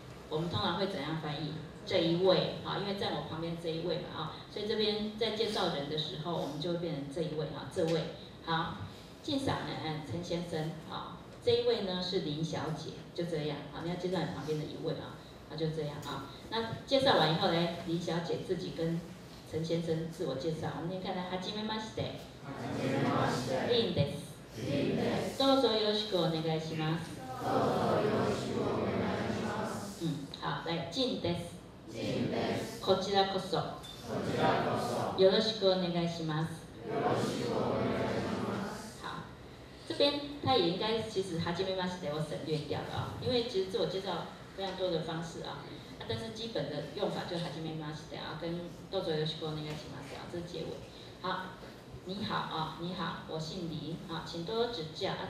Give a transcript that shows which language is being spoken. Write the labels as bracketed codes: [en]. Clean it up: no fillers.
[zh] 我们通常会怎样翻译这一位啊？因为在我旁边这一位嘛啊，所以这边在介绍人的时候，我们就会变成这一位啊，这位好，晋赏呢，嗯，陈先生啊，这一位呢是林小姐，就这样啊，你要介绍你旁边的一位啊，那就这样啊。那介绍完以后呢，林小姐自己跟陈先生自我介绍，我们先看来， [ja] はじめまして，はじめまして，林です，林です，どうぞよろしくお願いします，どうぞよろしくお願いします。 [zh] 嗯，好，来，进です。 [ja] 进です。こちらこそ。こちらこそ。よろしくお願いします。よろしくお願いします。 [zh] 好，这边他也应该其实はじめまして我省略掉了啊、哦，因为其实自我介绍非常多的方式啊、哦，啊，但是基本的用法就はじめまして啊，跟 [ja] どうぞよろしくお願いします [zh] 啊，这是结尾。好，你好啊、哦，你好，我姓李啊、哦，请多多指教啊。